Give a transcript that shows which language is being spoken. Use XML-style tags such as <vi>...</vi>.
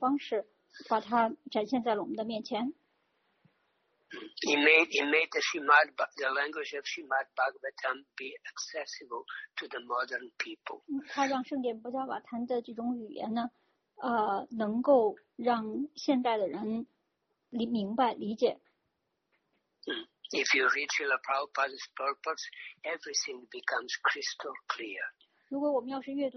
<zh>但是呢，他用一种非常简单的、明了的、实际的一种方式，把它展现在了我们的面前。</zh> <en>He made the language of Srimad Bhagavatam be accessible to the modern people.</en> <zh>他让圣典薄伽瓦坛的这种语言呢，能够让现代的人明白理解。</zh> <en>If you read Srila Prabhupada's purpose, everything becomes crystal clear.</en>